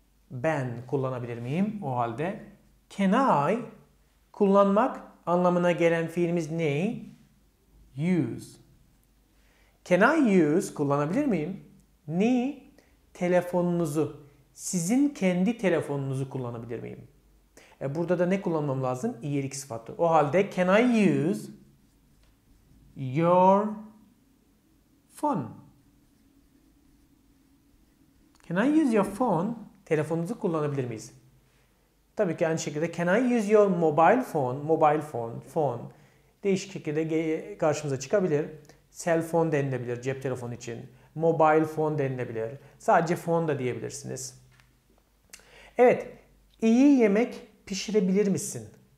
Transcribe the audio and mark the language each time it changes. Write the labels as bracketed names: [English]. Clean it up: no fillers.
[Turkish] Ben kullanabilir miyim? O halde [English] can I [Turkish] kullanmak anlamına gelen fiilimiz ne? Use. [English] Can I use [Turkish] kullanabilir miyim? Ne? Telefonunuzu. Sizin kendi telefonunuzu kullanabilir miyim? Burada da ne kullanmam lazım? İyilik sıfatı. O halde [English] can I use your phone? Can I use your phone? [Turkish] Telefonunuzu kullanabilir miyiz? Tabii ki aynı şekilde [English] can I use your mobile phone? Mobile phone, phone. [Turkish] Değişik şekilde karşımıza çıkabilir. [English] Cell phone [Turkish] denilebilir cep telefonu için. [English] Mobile phone [Turkish] denilebilir. Sadece phone da diyebilirsiniz. Evet, iyi yemek pişirebilir misin?